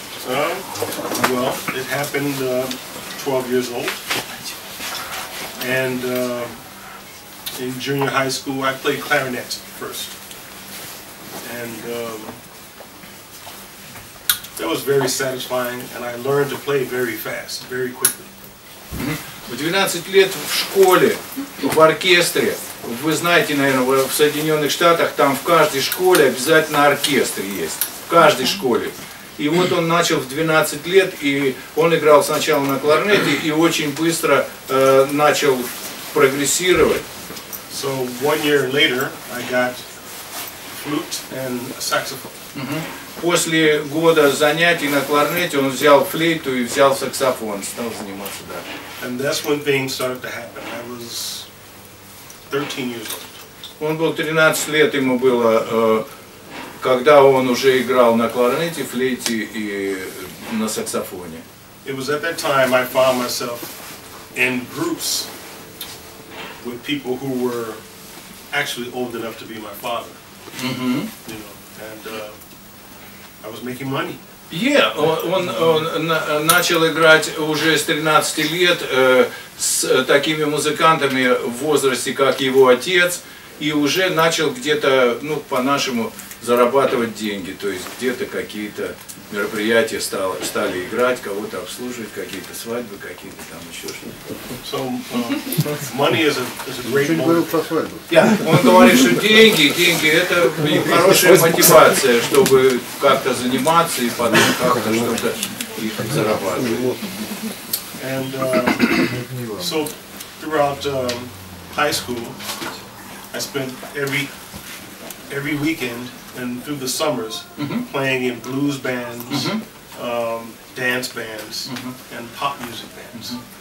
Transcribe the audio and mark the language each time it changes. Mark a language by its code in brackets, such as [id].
[en] Well, it happened 12 years old. And in junior high school, I played clarinet first. And that was very satisfying, and I learned to play very fast, very quickly. [ru] В 12 лет в школе, в оркестре, вы знаете, наверное, в Соединенных Штатах, там в каждой школе обязательно оркестр есть, в каждой школе. И вот он начал в 12 лет, и он играл сначала на кларнете, и очень быстро начал прогрессировать. [en] So one year later, I got flute and saxophone. [ru] После года занятий на кларнете он взял флейту и взял саксофон, стал заниматься, да. [en] And that's when things started to happen. I was 13 years old. [ru] Он был 13 лет, ему было, когда он уже играл на кларнете, флейте и на саксофоне. [en] It was at that time I found myself in groups with people who were actually old enough to be my father. You know, and I was making money. [ru] Yeah, он начал играть уже с 13 лет с такими музыкантами в возрасте, как его отец, и уже начал где-то, ну, по-нашему, зарабатывать деньги, то есть где-то какие-то мероприятия стали играть, кого-то обслуживать, какие-то свадьбы, какие-то там еще что-то. [en] So, money is a great motivator. [ru] Yeah, он говорит, что деньги это хорошая мотивация, чтобы как-то заниматься и потом как-то что-то их зарабатывать. [en] And so throughout high school I spent every weekend and through the summers playing in blues bands, dance bands, and pop music bands.